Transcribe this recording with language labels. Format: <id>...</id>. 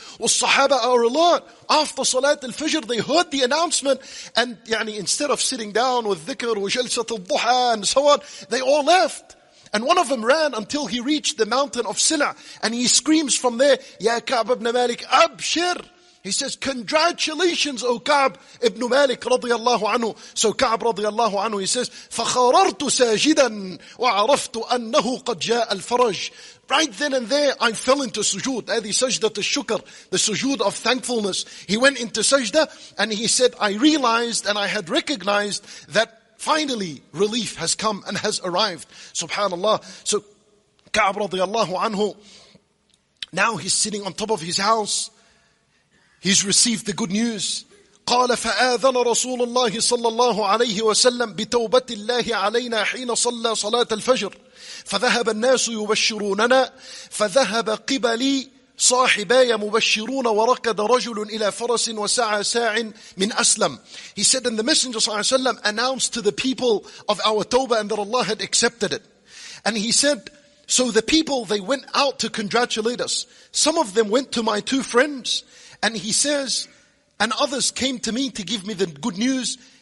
<en>Well, Sahaba are alert. After Salat al-Fajr, they heard the announcement. And yani, instead of sitting down with dhikr, wajalsat al-duha, and so on, they all left. And one of them ran until he reached the mountain of Sila. And he screams from there, Ya Ka'ab ibn Malik, abshir! He says, congratulations, O Ka'ab ibn Malik radiallahu anhu. So Ka'ab radiallahu anhu, he says,</en> <ar>فَخَرَرْتُ سَاجِدًا وَعَرَفْتُ أَنَّهُ قَدْ جَاءَ الْفَرَجِ.</ar> <en>Right then and there, I fell into sujood. The sajda to shukr, the sujood of thankfulness. He went into sajda and he said, I realized and I had recognized that finally relief has come and has arrived. Subhanallah. So Ka'ab radiallahu anhu, now he's sitting on top of his house. He's received the good news.</en> <ar>قال فآذن رسول الله صلى الله عليه وسلم بتوبة الله علينا حين صلى صلاة الفجر فذهب الناس يبشروننا فذهب قبلي صاحباي مبشرون وركض رجل إلى فرس وسعى ساع من أسلم.</ar> <en>He said, and the messenger صلى الله عليه وسلم announced to the people of our tawbah and that Allah had accepted it. And he said, so the people, they went out to congratulate us. Some of them went to my two friends. And he says, and others came to me to give me the good news.</en>